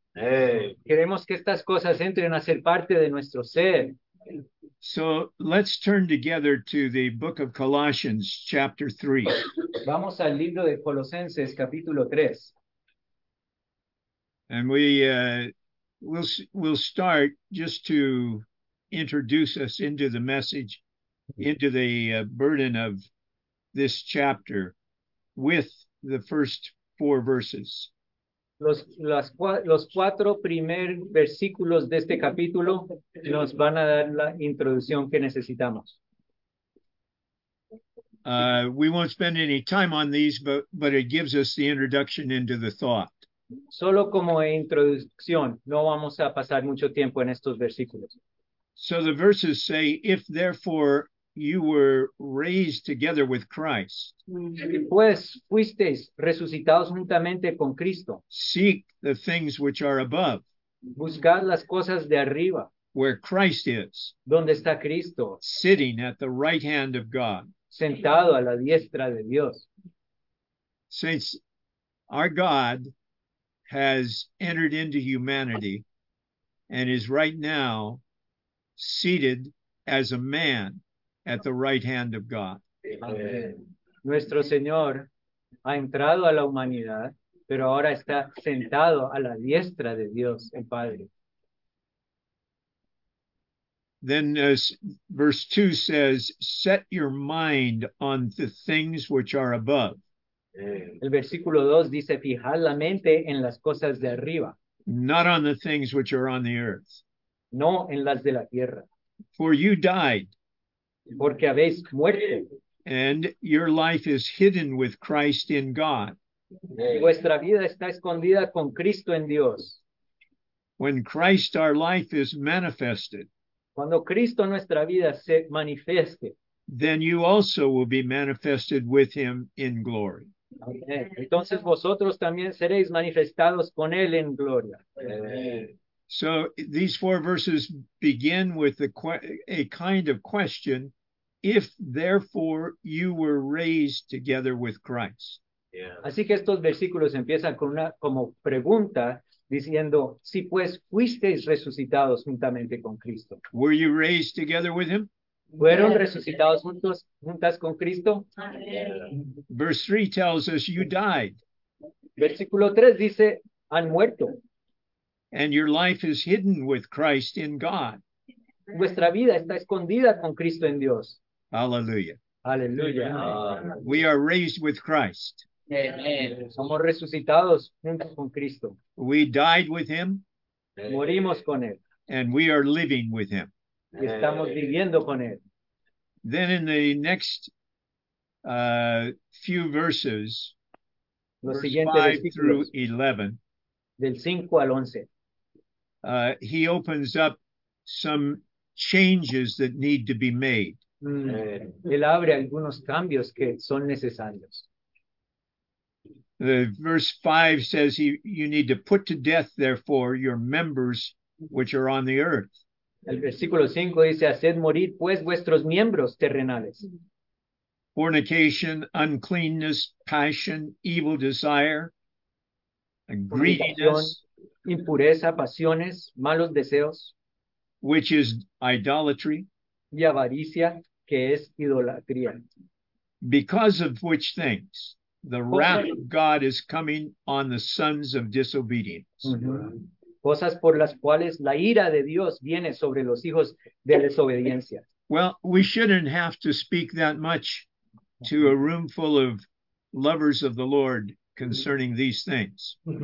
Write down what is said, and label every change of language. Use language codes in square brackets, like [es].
[en] Hey. [es] Queremos que estas cosas entren a ser parte de nuestro ser. [en] So let's turn together to the book of Colossians, chapter 3. [es] Vamos al libro de Colosenses, capítulo 3. [en] And we'll start just to introduce us into the message, into the burden of this chapter, with the first four verses. [es] Los cuatro primer versículos de este capítulo nos van a dar la introducción que necesitamos. [en] We won't spend any time on these, but it gives us the introduction into the thought. [es] Solo como introducción, no vamos a pasar mucho tiempo en estos versículos. [en] So the verses say, if therefore you were raised together with Christ, [es] pues fuisteis resucitados juntamente con Cristo. [en] Seek the things which are above. [es] Buscad las cosas de arriba. [en] Where Christ is. [es] Donde está Cristo. [en] Sitting at the right hand of God. [es] Sentado a la diestra de Dios. [en] Since our God has entered into humanity and is right now seated as a man at the right hand of God. Amen. [es] Nuestro Señor ha entrado a la humanidad, pero ahora está sentado a la diestra de Dios, el Padre. [en] Then verse 2 says, set your mind on the things which are above. [es] El versículo 2 dice, fijad la mente en las cosas de arriba. [en] Not on the things which are on the earth. [es] No en las de la tierra. [en] For you died. [es] Porque habéis muerto. [en] And your life is hidden with Christ in God. [es] Y vuestra vida está escondida con Cristo en Dios. [en] When Christ our life is manifested, [es] cuando Cristo nuestra vida se manifieste, [en] then you also will be manifested with him in glory. Okay. [es] Entonces vosotros también seréis manifestados con él en gloria. [en] Amen. So these four verses begin with a kind of question, if therefore you were raised together with Christ. Yeah. [es] Así que estos versículos empiezan con una como pregunta, diciendo, si pues fuisteis resucitados juntamente con Cristo. [en] Were you raised together with him? [es] ¿Fueron resucitados juntas con Cristo? [en] Amen. Verse 3 tells us you died. [es] Versículo 3 dice, han muerto. [en] And your life is hidden with Christ in God. [es] Vuestra vida está escondida con Cristo en Dios. [en] Hallelujah. Hallelujah. We are raised with Christ. Amen. [es] Somos resucitados juntos con Cristo. [en] We died with him. [es] Morimos con él. [en] And we are living with him. [es] Y estamos viviendo con él. [en] Then in the next few verses, [es] los [en] verse [es] siguientes [en] 5 [es] versículos, [en] through 11, [es] del 5 al 11, [en] he opens up some changes that need to be made. [es] Él abre algunos cambios que son necesarios. [en] The verse 5 says you need to put to death, therefore, your members which are on the earth. [es] El versículo 5 dice, haced morir, pues, vuestros miembros terrenales. [en] Fornication, uncleanness, passion, evil desire, greediness. [es] Impureza, pasiones, malos deseos. [en] Which is idolatry. [es] Y avaricia. que es idolatría. [en] Because of which things the wrath of God is coming on the sons of disobedience. [es] Cosas por las cuales la ira de Dios viene sobre los hijos de desobediencia. [en] Well, we shouldn't have to speak that much to a room full of lovers of the Lord concerning these things.